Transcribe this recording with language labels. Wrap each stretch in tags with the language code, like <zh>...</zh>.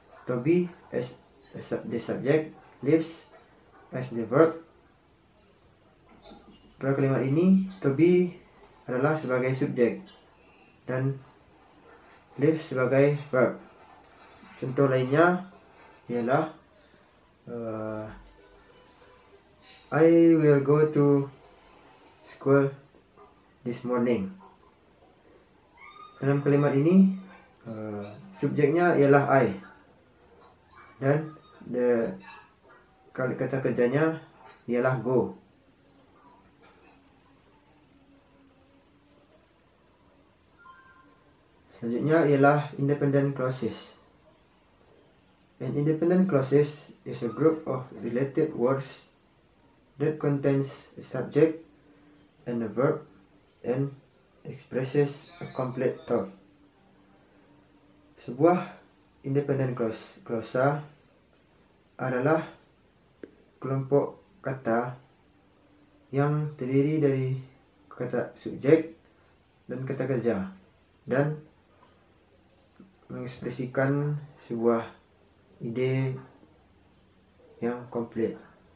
<en>Toby as the subject, lives as the verb.</en> <id>Pada kalimat ini, Toby adalah sebagai subjek dan lives sebagai verb. Contoh lainnya ialah</id> <en>I will go to school this morning.</en> <id>Dalam kalimat ini subjeknya ialah I dan the kata kerjanya ialah go. Selanjutnya ialah independent clauses.</id> <en>An independent clauses is a group of related words that contains a subject and a verb and expresses a complete thought.</en> <id>Sebuah independent clause adalah kelompok kata yang terdiri dari kata subjek dan kata kerja dan mengekspresikan sebuah ide yang komplit.</id>